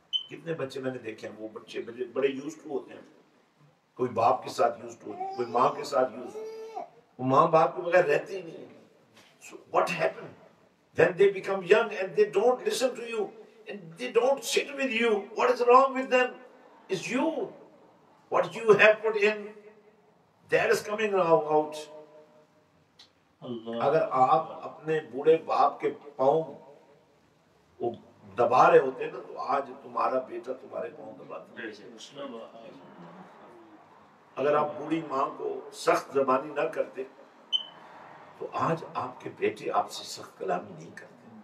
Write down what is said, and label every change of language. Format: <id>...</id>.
<ur>کتنے بچے میں نے دیکھے ہیں، وہ بچے بڑے یوز ٹو ہوتے ہیں، کوئی باپ کے ساتھ یوز ٹو، کوئی ماں کے ساتھ یوز، وہ ماں باپ کے بغیر رہتے ہی نہیں.</ur> <en>So what happen when they become young and they don't listen to you and they don't sit with you, what is wrong with them? Is you, what you have put in that is coming out.</en> <ur>اگر آپ اپنے بوڑھے باپ کے پاؤں وہ دبا رہے ہوتے نا تو آج تمہارا بیٹا تمہارے پاؤں دباتا. اگر آپ بوڑھی ماں کو سخت زبانی نہ کرتے تو آج آپ کے بیٹے آپ سے سخت کلامی نہیں کرتے.</ur>